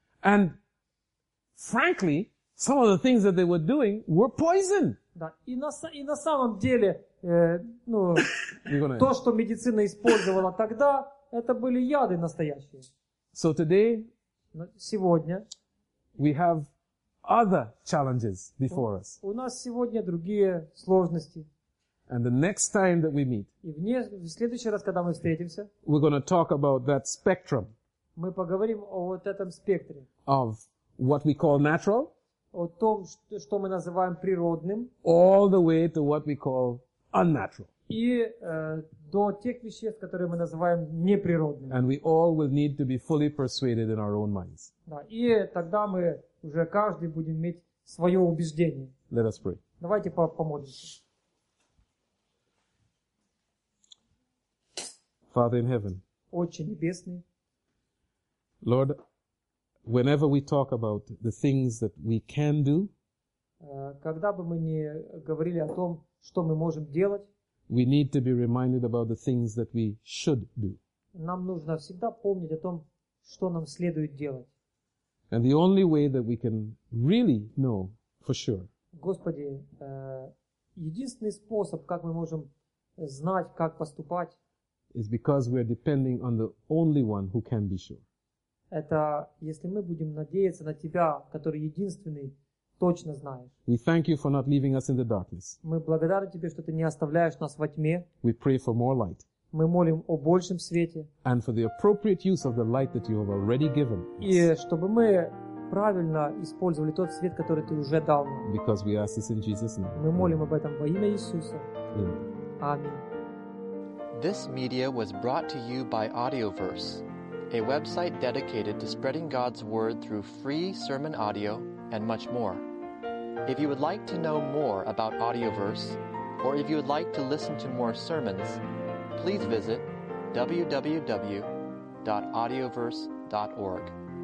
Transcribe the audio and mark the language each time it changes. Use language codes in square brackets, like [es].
[en] And frankly, some of the things that they were doing were poison. [ru] Да, и на самом деле, то, что медицина использовала тогда, это были яды настоящие. [en] So today, [ru] сегодня, [en] we have other challenges before us. [ru] У нас сегодня другие сложности. [en] And the next time that we meet, [ru] в следующий раз, когда мы встретимся, [en] we're going to talk about that spectrum. [ru] Мы поговорим о вот этом спектре. [en] Of what we call natural. [ru] О том, что мы называем природным. [en] All the way to what we call unnatural. [ru] И до тех веществ, которые мы называем неприродными. [en] And we all will need to be fully persuaded in our own minds. [ru] Да, и тогда мы уже каждый будем иметь свое убеждение. [en] Let us pray. [ru] Давайте помолимся. [en] Father in heaven. [ru] Отче небесный. [en] Lord, whenever we talk about the things that we can do, [ru] когда бы мы ни говорили о том, что мы можем делать, [en] we need to be reminded about the things that we should do. [ru] Нам нужно всегда помнить о том, что нам следует делать. [en] And the only way that we can really know for sure. [ru] Господи, единственный способ, как мы можем знать, как поступать, [en] is because we are depending on the only one who can be sure. [ru] Это если мы будем надеяться на Тебя, который единственный, точно знаешь. [en] We thank you for not leaving us in the darkness. [ru] Мы благодарны Тебе, что Ты не оставляешь нас во тьме. [en] We pray for more light. [ru] Мы молим о большем свете. [en] And for the appropriate use of the light that you have already given us. [ru] И чтобы мы правильно использовали тот свет, который Ты уже дал нам. [en] Because we ask this in Jesus' name. [ru] Мы молим об этом во имя Иисуса. Аминь. [en] This media was brought to you by Audioverse, a website dedicated to spreading God's word through free sermon audio and much more. If you would like to know more about Audioverse, or if you would like to listen to more sermons, please visit www.audioverse.org.